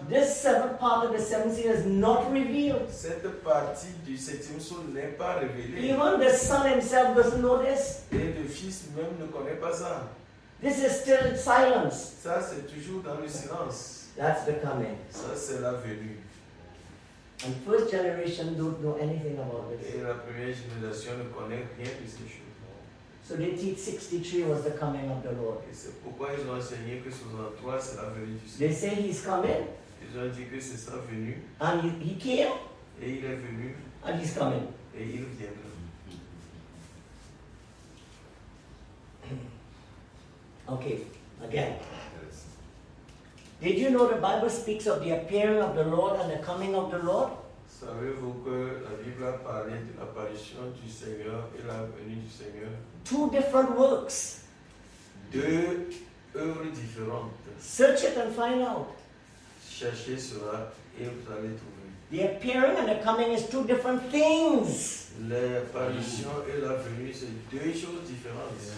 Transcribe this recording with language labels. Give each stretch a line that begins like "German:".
English: This seventh part of the seventh seal is not revealed.
French: Cette partie du septième son n'est pas révélée.
English: Even the son himself doesn't know this.
French: Et le fils même ne connaît pas ça.
English: This is still in silence.
French: Ça, c'est toujours dans le silence.
English: That's the coming.
French: Ça, c'est la venue.
English: And first generation don't know anything about this.
French: Et la première génération ne connaît rien de ces choses.
English: So they teach 63 was the coming of the Lord.
French: Et c'est pourquoi ils ont enseigné que 63 c'est la venue du Seigneur.
English: They say he's coming.
French: Ils ont dit que c'est sa venue.
English: And he came.
French: Et il est venu.
English: And he's coming.
French: Et il viendra.
English: Okay, again. Did you know the Bible speaks of the appearing of the Lord and the coming of the Lord?
French: Savez-vous que la Bible a parlé de l'apparition du Seigneur et la venue du Seigneur?
English: Two different works.
French: Deux œuvres différentes.
English: Search it and find out.
French: Cherchez cela et vous allez trouver.
English: The appearing and the coming is two different things.
French: L'apparition et la venue, c'est deux choses différentes.